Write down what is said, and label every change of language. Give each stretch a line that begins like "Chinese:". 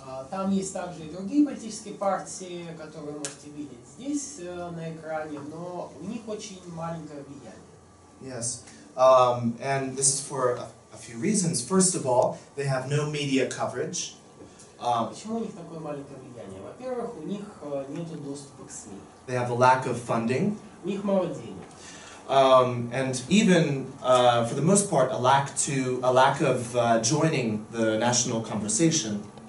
Russian: Там есть также и другие политические партии, которые вы можете видеть здесь на экране, но у них очень маленькое влияние.
English: Yes, and this is for a few reasons. First of all, they have no media coverage.
Russian: Почему у них такое маленькое влияние? Во-первых, у них нет доступа к СМИ.
English: They have a lack of funding.
Russian: У них мало денег.
English: And even, for the most part, a lack of joining the national conversation.